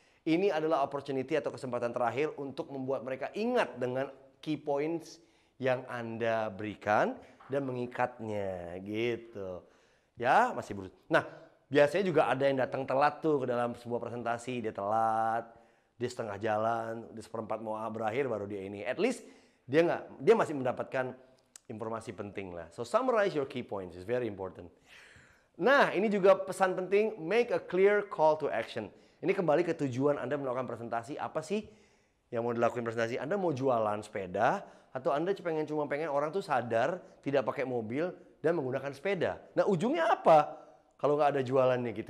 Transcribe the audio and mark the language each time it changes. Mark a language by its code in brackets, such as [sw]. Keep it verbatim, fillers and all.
[id] Ini adalah opportunity atau kesempatan terakhir untuk membuat mereka ingat dengan [en] key points [id] yang Anda berikan dan mengikatnya gitu. Ya, masih berusaha. Nah, biasanya juga ada yang datang telat tuh ke dalam sebuah presentasi, dia telat, dia setengah jalan, dia seperempat mau berakhir baru dia ini. [en] At least [id] dia nggak, dia masih mendapatkan informasi penting lah. [en] So summarize your key points, it's very important. [id] Nah, ini juga pesan penting, [en] make a clear call to action. [id] Ini kembali ke tujuan Anda melakukan presentasi. Apa sih yang mau dilakukan presentasi? Anda mau jualan sepeda atau Anda pengen cuma pengen orang tuh sadar tidak pakai mobil dan menggunakan sepeda. Nah, ujungnya apa kalau nggak ada jualannya gitu?